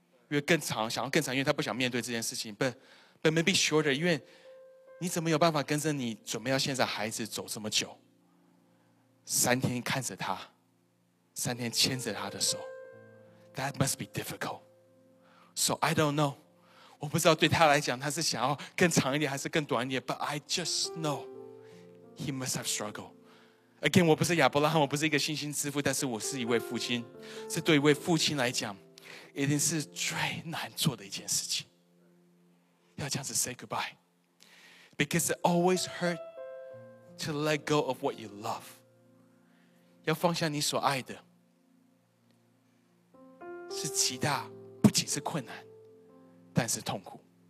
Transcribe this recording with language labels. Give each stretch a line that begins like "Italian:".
Chinese: 因为更长，想要更长，因为他不想面对这件事情。
English: But maybe shorter,
Chinese: 因为你怎么有办法跟着你准备要现在孩子走这么久？三天看着他，三天牵着他的手。
English: That must be difficult. So I don't know.
Chinese: 我不知道对他来讲，他是想要更长一点还是更短一点。
English: But I just know he must have struggled.
Chinese: Again, 我不是亚伯拉罕，我不是一个信心之父，但是我是一位父亲。这对一位父亲来讲，一定是最难做的一件事情。要这样子
English: say goodbye. Because it always hurts to let go of what you love.
Chinese: 要放下你所爱的。是极大，不仅是困难，但是痛苦。